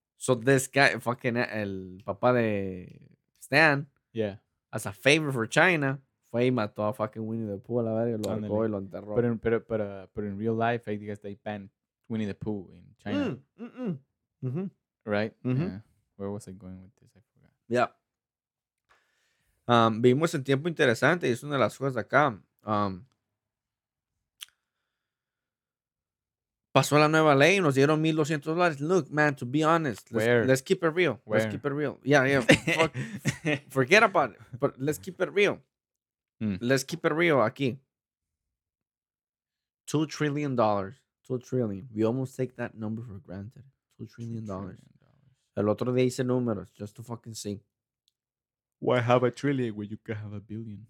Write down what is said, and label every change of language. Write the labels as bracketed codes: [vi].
[en] So this guy, fucking [es] el papá de Stan. [en] Yeah. As a favor for China. [es] Fue y mató a fucking Winnie the Pooh, la verdad, lo ahogó y lo enterró. [en] But in real life, I guess they banned Winnie the Pooh in China. Right? Mm-hmm. Yeah. Where was I going with this? I forgot. Yeah. [es] Vivimos en tiempo interesante y es una de las cosas de acá. Pasó la nueva ley y nos dieron $1,200. [en] Look, man, to be honest, let's keep it real. Where? Let's keep it real. Yeah. Forget about it, but let's keep it real. Let's keep it real aquí. $2 trillion. $2 trillion. We almost take that number for granted. $2 trillion. [es] El otro día hice números [en] just to fucking see. Why have a trillion when you can have a billion?